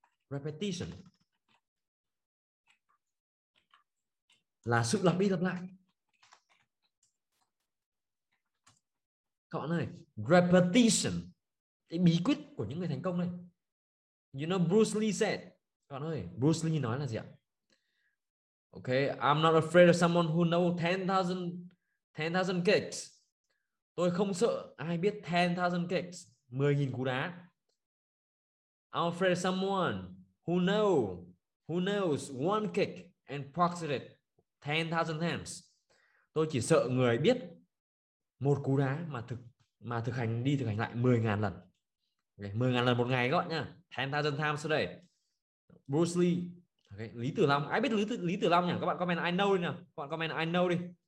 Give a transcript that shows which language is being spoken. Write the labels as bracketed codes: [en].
[en] Repetition. [vi] Là sự lặp đi lặp lại. Các bạn ơi. Repetition. Cái bí quyết của những người thành công này. [en] You know Bruce Lee said. [vi] Các bạn ơi. Bruce Lee nói là gì ạ? [en] Okay, I'm not afraid of someone who knows 10,000 kicks. [vi] Tôi không sợ ai biết 10,000 kicks, 10,000 cú đá. [en] I'm afraid of someone who knows one kick and practices it 10,000 times. [vi] Tôi chỉ sợ người biết một cú đá mà thực hành lại 10,000 lần. Okay, 10,000 lần một ngày các bạn nhá. [en] 10,000 times a day. [vi] Bruce Lee. Okay, Lý Tử Long, ai biết Lý Tử Long nhỉ? Các bạn comment [en] I know [vi] đi nào. Các bạn comment I know đi.